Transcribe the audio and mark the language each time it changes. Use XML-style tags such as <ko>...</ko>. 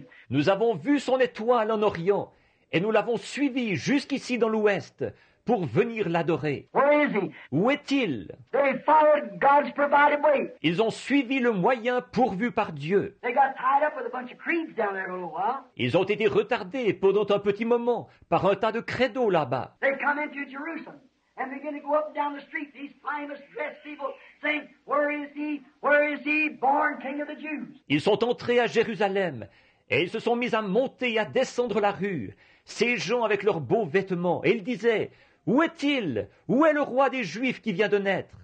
<fr>Nous avons vu son étoile en Orient et nous l'avons suivi jusqu'ici dans l'Ouest pour venir l'adorer.</fr> <en>Where is he?</en> <fr>Où est-il?</fr> <en>They followed God's provided way.</en> <fr>Ils ont suivi le moyen pourvu par Dieu.</fr> <en>They got tied up with a bunch of creeds down there for a little while.</en> <fr>Ils ont été retardés pendant un petit moment par un tas de credos là-bas.</fr> <en>They come into Jerusalem. And they're going to go up and down the street, these famous dressed people, saying, where is he? Where is he? Born king of the Jews.</en> <fr>Ils sont entrés à Jérusalem, et ils se sont mis à monter et à descendre la rue, ces gens avec leurs beaux vêtements. Et ils disaient, où est-il? Où est le roi des Juifs qui vient de naître?</fr>